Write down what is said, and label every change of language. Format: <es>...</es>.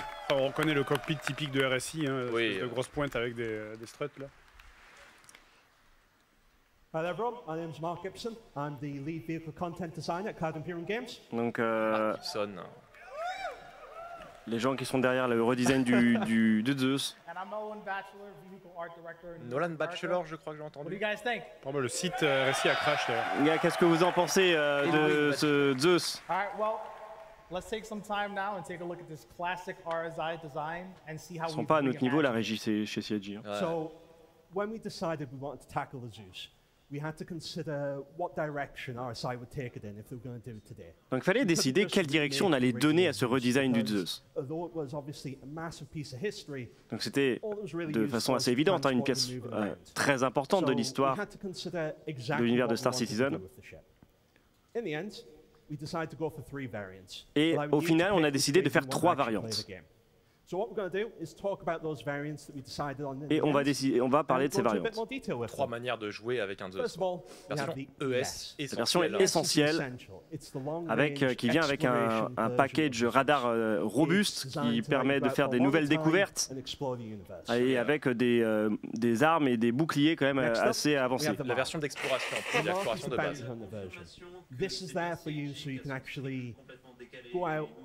<fr>On reconnaît le cockpit typique de RSI, hein, oui, de grosses pointes avec des struts, là.</fr> <en>Hello everyone, my name is Mark Gibson. I'm the lead vehicle content designer at Cloud Imperium Games.</en> <fr>Donc, Gibson. Les gens qui sont derrière le redesign du Zeus.</fr> <en>And I'm Nolan Bachelor, vehicle art director.</en> <fr>Nolan Bachelor, je crois que j'ai entendu.</fr> <en>What do you guys think?</en> <fr>Oh, le site RSI a crash d'ailleurs. Yeah, qu'est-ce que vous en pensez de ce Zeus?</fr> <en>All right, well, let's take some time now and take a look at this classic RSI design and see how we.</en> <fr>Ils sont pas à notre niveau, la régie, c'est chez CIG. Hein. Ouais.</fr> <en>So, when we decided we wanted to tackle the Zeus. We had to consider what direction RSI would take it in if they were going to do it today.</en> <fr>Donc il fallait décider quelle direction on allait donner à ce redesign du Zeus.</fr> <en>Although it was obviously a massive piece of history.</en> <fr>Donc c'était de façon assez évidente, hein, une pièce très importante de l'histoire de l'univers de Star Citizen.</fr> <en>In the end, we decided to go for three variants.</en> <fr>Et au final, on a décidé de faire trois variantes.</fr> <en>So what we're going to do is talk about those variants that we decided on.</en> <fr>Et on va parler de ces variantes. Trois manières de jouer avec un Zeus. La version essentielle, qui vient avec un package radar robuste qui permet de faire des nouvelles découvertes et avec des armes et des boucliers quand même assez avancés. La version d'exploration, puis l'exploration de base.</fr> <en>This is there for you so you can actually go out.</en>